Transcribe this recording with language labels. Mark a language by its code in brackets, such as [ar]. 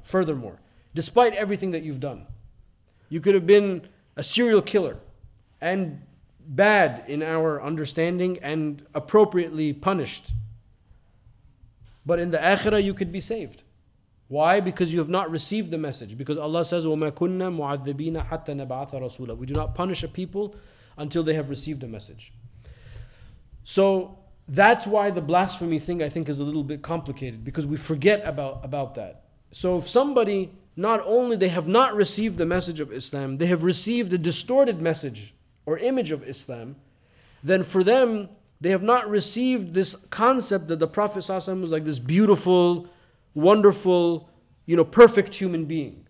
[en] Furthermore, despite everything that you've done, you could have been a serial killer and bad in our understanding and appropriately punished. But in the Akhirah, you could be saved. Why? Because you have not received the message. Because Allah says, [ar] وَمَا كُنَّا مُعَذِّبِينَ حَتَّى نَبْعَثَ رَسُولًا. [en] We do not punish a people until they have received a message. So that's why the blasphemy thing, I think, is a little bit complicated, because we forget about that. So if somebody, not only they have not received the message of Islam, they have received a distorted message or image of Islam, then for them, they have not received this concept that the Prophet ﷺ was like this beautiful, wonderful, you know, perfect human being.